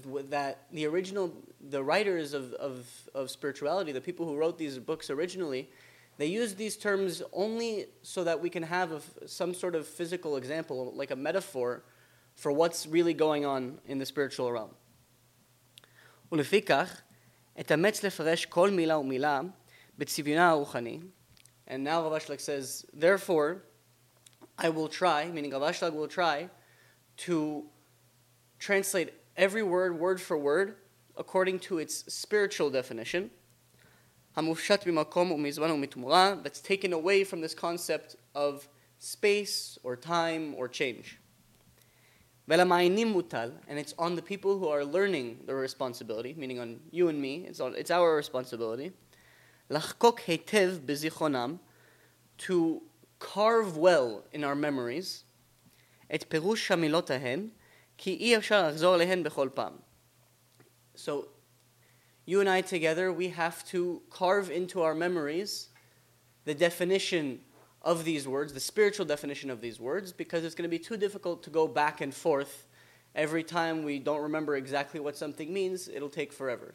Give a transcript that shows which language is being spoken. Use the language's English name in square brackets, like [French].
[English] That the writers of spirituality, the people who wrote these books originally, they use these terms only so that we can have some sort of physical example, like a metaphor, for what's really going on in the spiritual realm. [Hebrew] ולפיכך, אתאמץ לפרש כל מילה ומילה בצביונה הרוחני. [English] And now Rav Ashlag says, therefore, I will try, meaning Rav Ashlag will try, to translate every word, word for word, according to its spiritual definition. [Hebrew] המופשט במקום ומזמן ומתמורה, [English] that's taken away from this concept of space or time or change. [Hebrew] ולמעיינים מוטל, [English] and it's on the people who are learning their responsibility, meaning on you and me, it's our responsibility, [Hebrew] לחקוק היטב בזיכרונם, [English] to carve well in our memories, [Hebrew] את פירוש המילות ההן, כי אי אפשר לחזור להן בכל פעם. [English] So, you and I together, we have to carve into our memories the definition of these words, the spiritual definition of these words, because it's going to be too difficult to go back and forth. Every time we don't remember exactly what something means, it'll take forever.